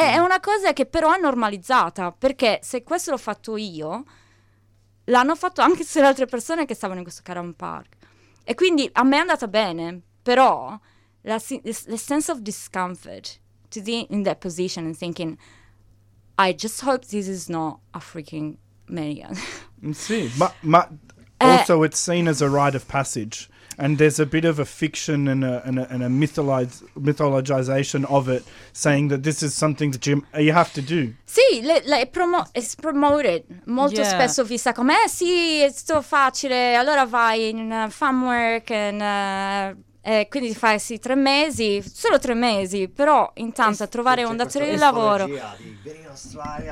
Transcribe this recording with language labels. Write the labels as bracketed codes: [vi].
[it] È una cosa che però è normalizzata, perché se questo l'ho fatto io, l'hanno fatto anche se le altre persone che stavano in questo Caravan Park, e quindi a me è andata bene, però [en] the sense of discomfort to be in that position and thinking I just hope this is not a freaking maniac. [it] Sì, ma [en] also it's seen as a rite of passage, and there's a bit of a fiction and a mythologization of it, saying that this is something that you have to do. [it] Sì, [en] it's promoted [it] molto spesso, vista come sì, è tutto facile, allora vai in farm work and. Quindi fai sì 3 mesi, solo 3 mesi, però intanto a trovare un datore di lavoro. Vieni in Australia,